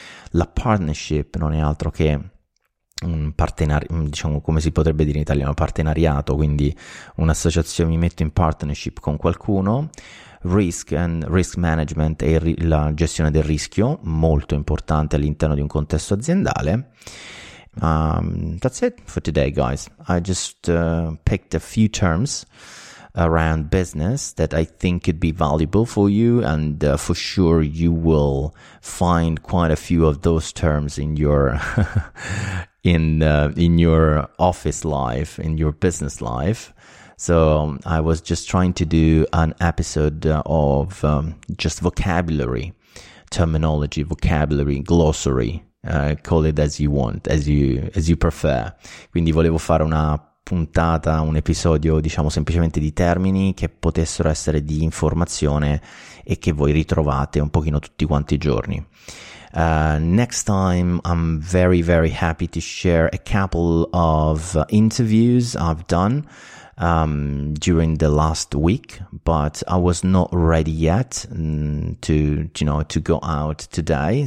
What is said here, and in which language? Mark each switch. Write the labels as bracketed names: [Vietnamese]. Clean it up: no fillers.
[Italian] La partnership non è altro che un diciamo, come si potrebbe dire in italiano, partenariato, quindi un'associazione, mi metto in partnership con qualcuno. Risk and risk management e la gestione del rischio, molto importante all'interno di un contesto aziendale. [English] That's it for today, guys. I just picked a few terms around business that I think could be valuable for you, and for sure you will find quite a few of those terms in your in your office life, in your business life. So I was just trying to do an episode of just vocabulary, terminology, vocabulary, glossary. Call it as you want, as you prefer. [Italian] Quindi volevo fare una puntata, un episodio, diciamo, semplicemente di termini che potessero essere di informazione e che voi ritrovate un pochino tutti quanti i giorni. [English] Next time I'm very very happy to share a couple of interviews I've done during the last week, but I was not ready yet to go out today.